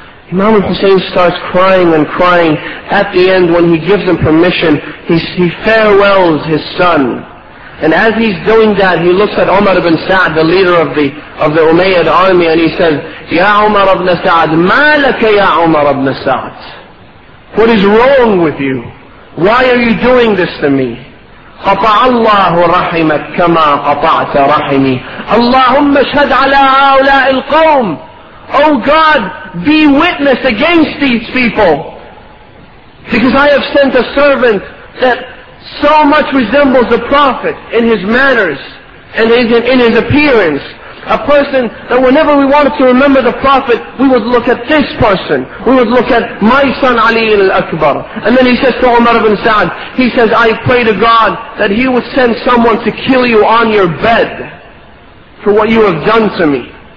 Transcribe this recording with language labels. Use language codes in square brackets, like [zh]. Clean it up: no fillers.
[en] Imam Hussein starts crying and crying. At the end, when he gives him permission, he farewells his son. And as he's doing that, he looks at Umar ibn Sa'd, the leader of the Umayyad army, and he says, Ya Umar ibn Sa'd, [ar] ma laka [en] ya Umar ibn Sa'd? What is wrong with you? Why are you doing this to me? [ar] قَطَعَ اللَّهُ رَحِمَكْ كَمَا قَطَعْتَ رَحِمِي اللَّهُمَّ اشْهَدْ عَلَىٰ هَؤُلَاءِ الْقَوْمِ [en] O God, be witness against these people. Because I have sent a servant that so much resembles the Prophet in his manners and in his appearance. A person that whenever we wanted to remember the Prophet, we would look at this person. We would look at my son Ali al-Akbar. And then he says to Umar ibn Sa'd, he says, I pray to God that he would send someone to kill you on your bed for what you have done to me.